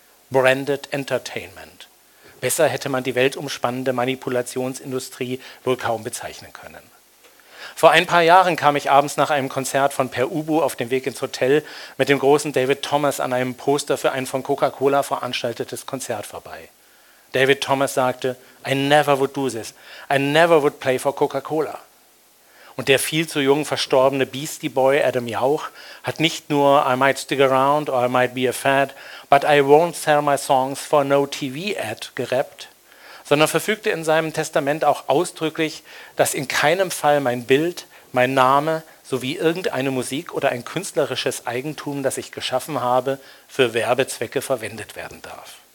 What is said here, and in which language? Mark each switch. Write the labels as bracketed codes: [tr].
[de] Branded Entertainment. Besser hätte man die weltumspannende Manipulationsindustrie wohl kaum bezeichnen können. Vor ein paar Jahren kam ich abends nach einem Konzert von Per Ubu auf dem Weg ins Hotel mit dem großen David Thomas an einem Poster für ein von Coca-Cola veranstaltetes Konzert vorbei. [en] David Thomas sagte, I never would do this. I never would play for Coca-Cola. [de] Und der viel zu jung verstorbene Beastie Boy Adam Jauch hat nicht nur [en] I might stick around or I might be a fad, but I won't sell my songs for no TV ad [de] gerappt, sondern verfügte in seinem Testament auch ausdrücklich, dass in keinem Fall mein Bild, mein Name sowie irgendeine Musik oder ein künstlerisches Eigentum, das ich geschaffen habe, für Werbezwecke verwendet werden darf.